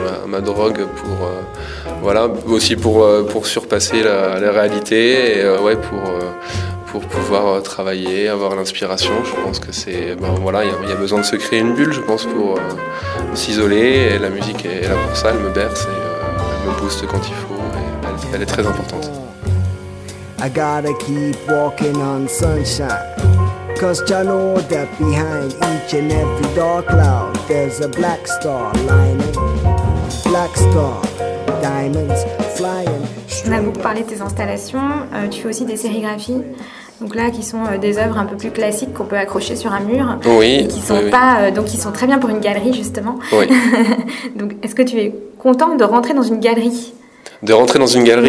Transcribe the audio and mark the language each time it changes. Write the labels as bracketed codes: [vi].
[fr] C'est ma drogue pour, voilà, aussi pour surpasser la réalité, et ouais, pour pouvoir travailler, avoir l'inspiration, je pense que c'est, ben, voilà, il y a besoin de se créer une bulle, je pense, pour s'isoler, et la musique est là pour ça, elle me berce, et elle me booste quand il faut, et elle est très importante. [en] I gotta keep walking on sunshine, 'cause I know that behind each and every dark cloud there's a black star lining. Black star, diamonds flying. [fr] On a beaucoup parlé de tes installations, tu fais aussi des sérigraphies. Donc là, qui sont des œuvres un peu plus classiques qu'on peut accrocher sur un mur. Oui. Qui sont pas, donc qui sont très bien pour une galerie, justement. Oui. Donc est-ce que tu es content de rentrer dans une galerie ? De rentrer dans une galerie.